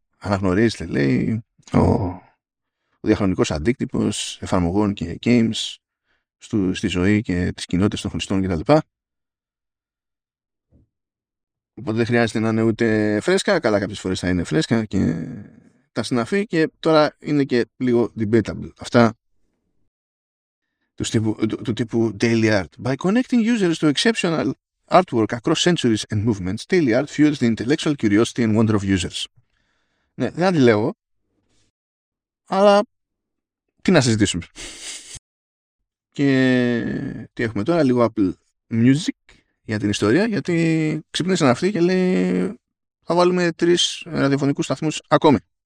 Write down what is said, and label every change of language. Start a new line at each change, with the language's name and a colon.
Greek: Αναγνωρίζεται, λέει, ο διαχρονικός αντίκτυπος εφαρμογών και games στη ζωή και τις κοινότητες των χρηστών κτλ. Οπότε δεν χρειάζεται να είναι ούτε φρέσκα, καλά κάποιες φορές θα είναι φρέσκα και τα συναφή, και τώρα είναι και λίγο debatable. Αυτά του τύπου daily art.
English: By connecting users to exceptional artwork across centuries and movements, daily art fuels the intellectual curiosity and wonder of users.
Greek: Ναι, δεν αντιλέγω, αλλά τι να συζητήσουμε. Και τι έχουμε τώρα, λίγο Apple Music για την ιστορία, γιατί ξυπνήσαν αυτοί και λέει θα βάλουμε 3 ραδιοφωνικούς σταθμούς ακόμη.